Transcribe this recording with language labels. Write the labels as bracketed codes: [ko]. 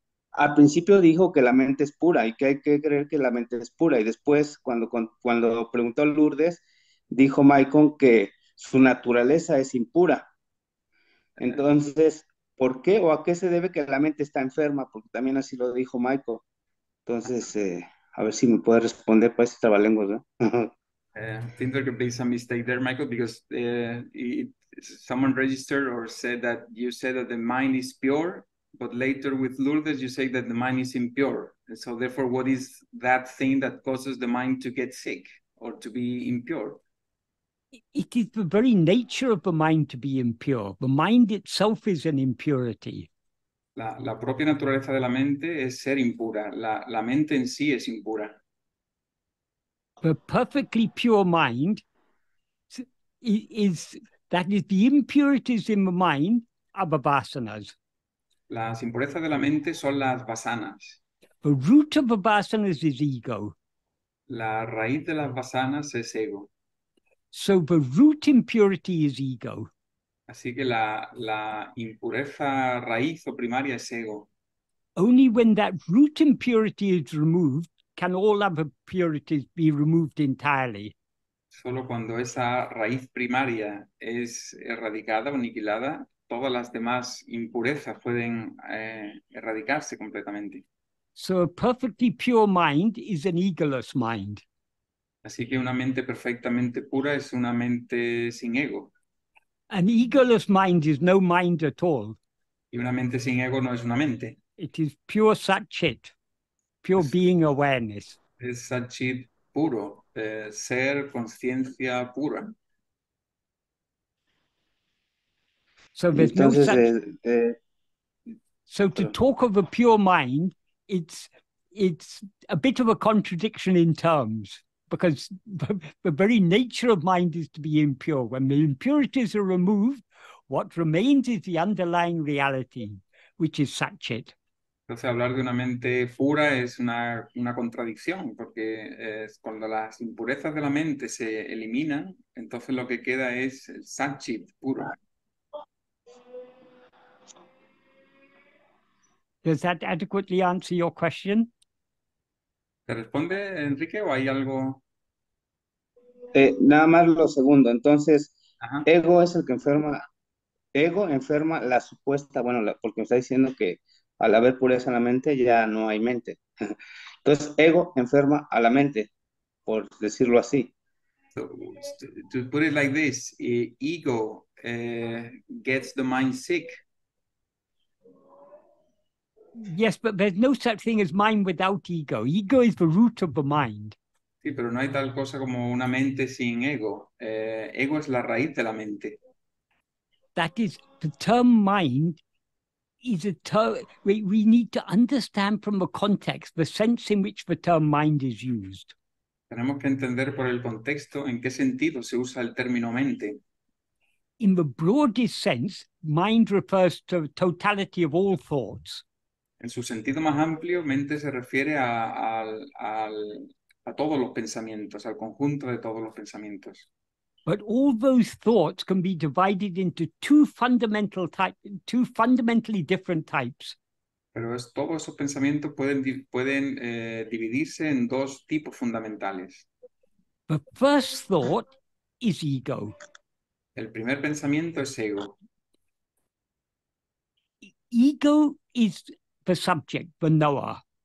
[es] Al principio dijo que la mente es pura y que hay que creer que la mente es pura. Y después, cuando preguntó a Lourdes, dijo Maicon que su naturaleza es impura. Entonces, ¿por qué o a qué se debe que la mente está enferma? Porque también así lo dijo Maicon. Entonces, a ver si me puede responder para ese trabalengua, ¿no? [en] I think there could be some mistake there, Michael, because someone registered or said that you said that the mind is pure, but later with Lourdes you say that the mind is impure. And so therefore, what is that thing that causes the mind to get sick or to be impure? It is the very nature of the mind to be impure. The mind itself is an impurity. [es] La propia naturaleza de la mente es ser impura. La mente en sí es impura. [en] The perfectly pure mind is that is the impurities in the mind are the vasanas. [es] Las impurezas de la mente son las vasanas. [en] The root of the vasanas is ego. [es] La raíz de las vasanas es ego. [en] So the root impurity is ego. [es] Así que la impureza raíz o primaria es ego. [en] Only when that root impurity is removed can all other purities be removed entirely. [es] Solo cuando esa raíz primaria es erradicada o aniquilada, todas las demás impurezas pueden erradicarse completamente. [en] So a perfectly pure mind is an egoless mind. [es] Así que una mente perfectamente pura es una mente sin ego. [en] An egoless mind is no mind at all. [es] Y una mente sin ego no es una mente. [en] It is pure satchit, pure being awareness. [es] Es satchit puro, ser conciencia pura. [en] So there's no [es] Entonces, [en] such. So to [es] pero [en] talk of a pure mind, it's a bit of a contradiction in terms. Because the very nature of mind is to be impure. When the impurities are removed, what remains is the underlying reality, which is satchit. [es] Entonces, hablar de una mente pura es una contradicción, porque cuando las impurezas de la mente se eliminan, entonces lo que queda es el satchit puro. [en] Does that adequately answer your question? [es] ¿Te responde, Enrique, o hay algo? Nada más lo segundo, entonces, ajá, ego es el que enferma, ego enferma la supuesta, bueno, porque me está diciendo que al haber pureza en la mente ya no hay mente. Entonces, ego enferma a la mente, por decirlo así. [en] So, to put it like this, ego gets the mind sick. Yes, but there's no such thing as mind without ego. Ego is the root of the mind. [es] Sí, pero no hay tal cosa como una mente sin ego. Ego es la raíz de la mente. [en] That is, the term mind is a term, we need to understand from the context, the sense in which the term mind is used. [es] Tenemos que entender por el contexto en qué sentido se usa el término mente. [en] In the broadest sense, mind refers to the totality of all thoughts. [es] En su sentido más amplio, mente se refiere a todos los pensamientos, al conjunto de todos los pensamientos. [en] But all those thoughts can be divided into two fundamentally different types. [es] Pero todos esos pensamientos pueden dividirse en dos tipos fundamentales. [en] The first thought is ego. [es] El primer pensamiento es ego. [en] Ego is the subject, the knower.